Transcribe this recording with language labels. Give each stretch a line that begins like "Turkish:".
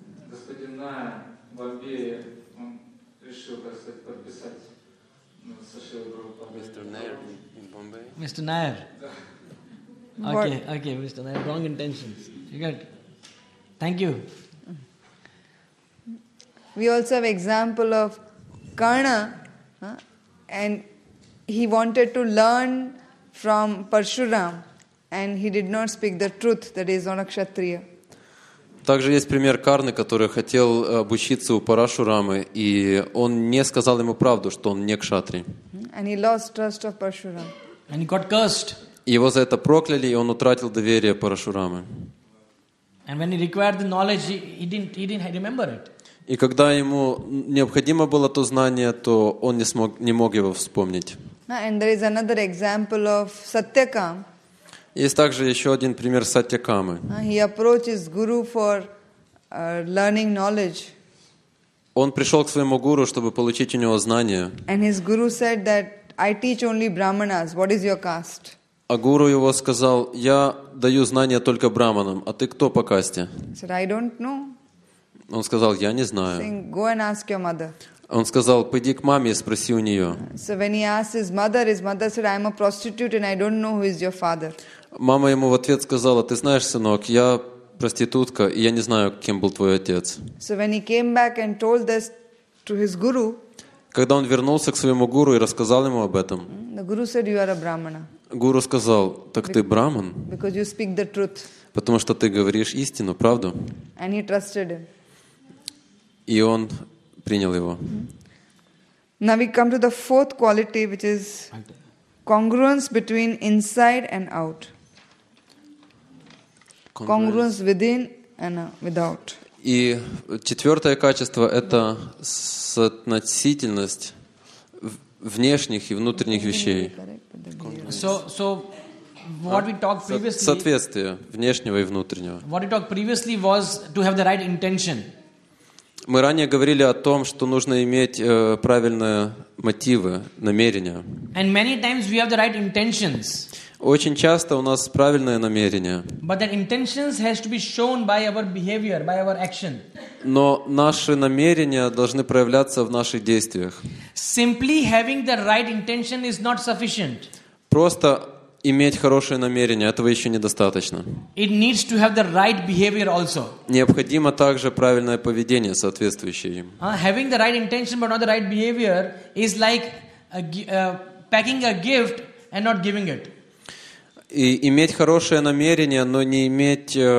Russian: Господин Ная в Бомбее, он решил, так сказать, подписать на Сашилу Прабхупаду. Мистер Найер в Бомбее. Мистер Найер. Да. Окей, мистер Найер,
English: wrong intentions. You got it. Thank you. We also have example of Karna, and he wanted to learn from Parshuram, and he did not speak the truth, that is, on a kshatriya.
Russian: Также есть пример Карны, который хотел обучиться у Парашурамы, и он не сказал ему правду, что он не кшатри.
English: And he lost trust of Parshuram. And he got cursed.
Russian: Его за это прокляли, и он утратил доверие Парашурамы.
English: And when he required the knowledge, he didn't remember it.
Russian: И когда ему необходимо было то знание, то он не мог его вспомнить.
English: And there is another example of Satyakam.
Russian: Есть также еще один пример Сатьякамы.
English: He approaches guru for learning knowledge.
Russian: Он пришел к своему гуру, чтобы получить у него знания.
English: And his guru said that I teach only brahmanas. What is your caste?
Russian: А гуру его сказал: я даю знания только браманам. А ты кто по касте?
English: He said, I don't know.
Russian: Он сказал: я не знаю.
English: Go and ask your mother.
Russian: Он сказал: пойди к маме и спроси у нее.
English: So when he asked his mother said, I'm a prostitute and I don't know who is your father.
Russian: Мама ему в ответ сказала: ты знаешь, сынок, я проститутка, и я не знаю, кем был твой отец.
English: So when he came back and told this to his guru,
Russian: когда он вернулся к своему гуру и рассказал ему об этом,
English: the guru said, you are a brahmana.
Russian: Гуру сказал: так ты браман?
English: Because you speak the truth.
Russian: Потому что ты говоришь истину, правду.
English: And he trusted him.
Russian: И он принял его.
English: Now we come to the fourth quality, which is congruence between inside and out. Congruence within and without.
Russian: И четвертое качество — это соотносительность внешних и внутренних вещей.
English: So what we talked previously.
Russian: Соответствие внешнего и внутреннего.
English: What we talked previously was to have the right intention.
Russian: Мы ранее говорили о том, что нужно иметь правильные мотивы, намерения.
English: And many times we have the right intentions.
Russian: Очень часто у нас правильное намерение.
English: But that intentions has to be shown by our behavior, by our action.
Russian: Но наши намерения должны проявляться в наших действиях.
English: Simply having the right intention is not sufficient.
Russian: Просто иметь хорошее намерение, этого еще недостаточно.
English: It needs to have the right behavior also.
Russian: Необходимо также правильное поведение, соответствующее им.
English: Having the right intention but not the right behavior is like packing a gift and not giving it.
Russian: И иметь хорошее намерение, но не иметь